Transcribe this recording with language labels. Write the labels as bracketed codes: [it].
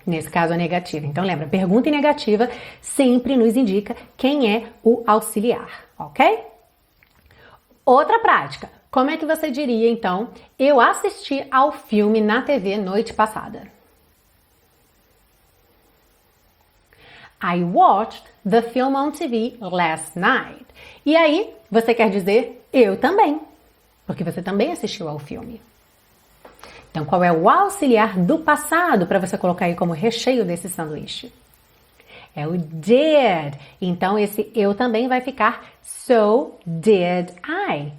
[pt] Nesse caso a negativa. Então lembra, pergunta e negativa sempre nos indica quem é o auxiliar. Ok? Outra prática. Como é que você diria, então, eu assisti ao filme na TV noite passada? [en] I watched the film on TV last night. [pt] E aí, você quer dizer eu também, porque você também assistiu ao filme. Então, qual é o auxiliar do passado para você colocar aí como recheio desse sanduíche? É o did. Então, esse eu também vai ficar [en] so did I.